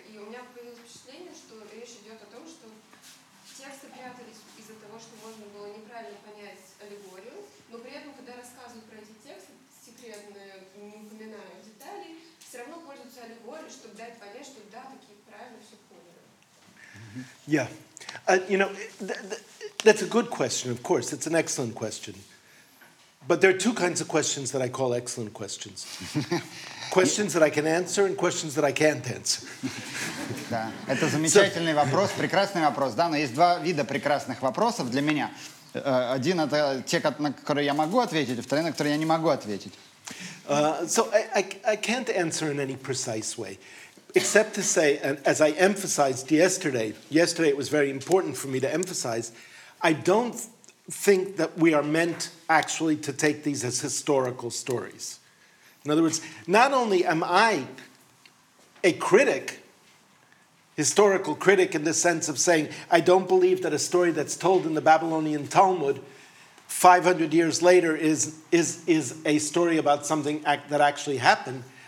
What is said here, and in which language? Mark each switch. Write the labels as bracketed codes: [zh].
[ru] И у меня появилось впечатление, что речь идет о том, что тексты прятались из-за того, что можно было неправильно понять аллегорию, но при этом, когда рассказывают про эти тексты, секретные, не упоминаю деталей, все равно пользуются аллегорией, чтобы дать понять, что да, такие правильно все поняли. [en] Yeah. You know, that's a good question, of course. It's an excellent question. But there are two kinds of questions that I call excellent questions. Questions that I can answer and questions that I can't answer. [ru] Да, это замечательный вопрос, прекрасный вопрос. Да, но есть два вида прекрасных вопросов для меня. Один — это те, на которые я могу ответить, второй — на которые я не могу ответить. [en] So I can't answer in any precise way. Except to say, and as I emphasized yesterday it was very important for me to emphasize, I don't think that we are meant actually to take these as historical stories. In other words, not only am I a critic, historical critic in the sense of saying, I don't believe that a story that's told in the Babylonian Talmud 500 years later is a story about something that actually happened.